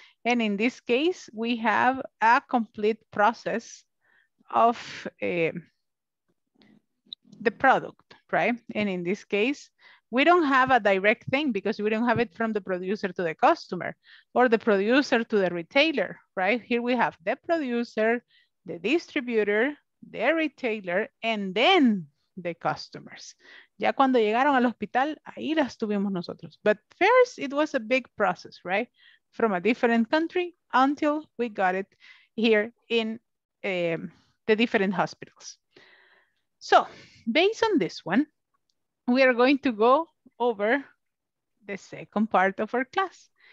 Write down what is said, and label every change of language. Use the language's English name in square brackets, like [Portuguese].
[English] And in this case, we have a complete process of the product, right? And in this case, we don't have a direct thing because we don't have it from the producer to the customer or the producer to the retailer, right? Here we have the producer, the distributor, the retailer, and then the customers. [Spanish] Ya cuando llegaron al hospital, ahí las tuvimos nosotros. [English] But first, it was a big process, right? From a different country until we got it here in the different hospitals. So, based on this one, we are going to go over the second part of our class.